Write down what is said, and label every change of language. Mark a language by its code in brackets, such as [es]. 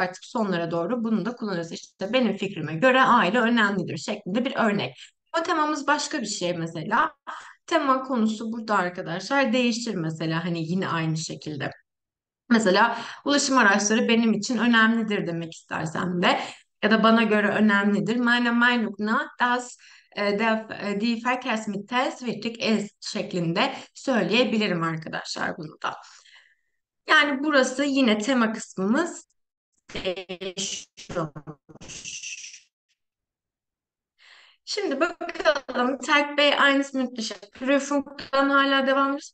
[tr] Artık sonlara doğru bunu da kullanırız. İşte benim fikrime göre aile önemlidir şeklinde bir örnek. O temamız başka bir şey mesela. Tema konusu burada arkadaşlar değişir mesela hani yine aynı şekilde. Mesela ulaşım araçları benim için önemlidir demek istersen de ya da bana göre önemlidir. [de] Meine Meinung nach das die Verkehrsmittel wichtig ist [tr] şeklinde söyleyebilirim arkadaşlar bunu da. Yani burası yine tema kısmımız değişiyor. Şimdi bakalım Tayyip Bey aynı müthiş. Prüfungdan hala devam ediyor.